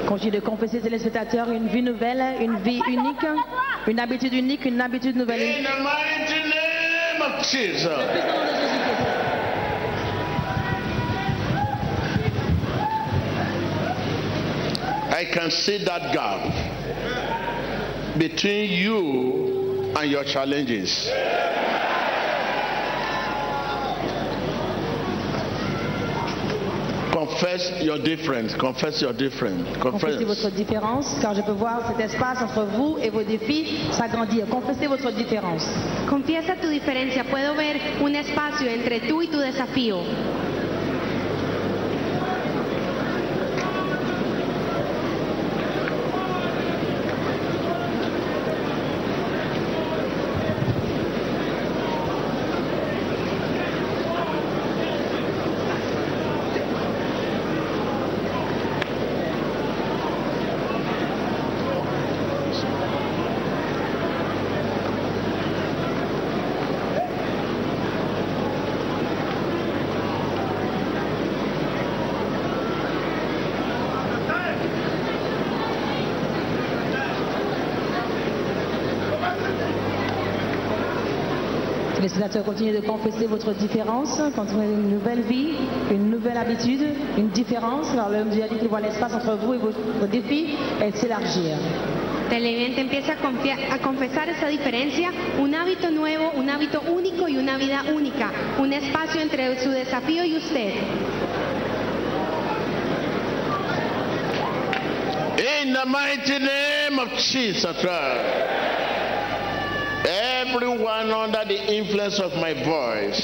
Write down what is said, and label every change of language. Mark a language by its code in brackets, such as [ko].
[fr] De confesser les spectateurs une vie nouvelle, une vie unique, une habitude unique, une habitude nouvelle. [en] In the mighty name of Jesus. I can see that gap between you and your challenges. Con- Confess your difference. Confess your difference. [fr] Confessez votre différence, car je peux voir cet espace entre vous et vos défis s'agrandir. Confessez votre différence. [es] Confiesa tu diferencia. Puedo ver un espacio entre tú y tu desafío. [fr] Continuez de confesser votre différence, continuez une nouvelle vie, une nouvelle habitude, une différence. Alors l'homme du qui voit l'espace entre vous et vos défis, elle s'élargit. [es] Televidente empieza a confesar esa diferencia, un hábito nuevo, un hábito único y una vida única, un espacio entre su desafío y usted. [en] In the mighty name of Jesus Christ. Everyone under the influence of my voice.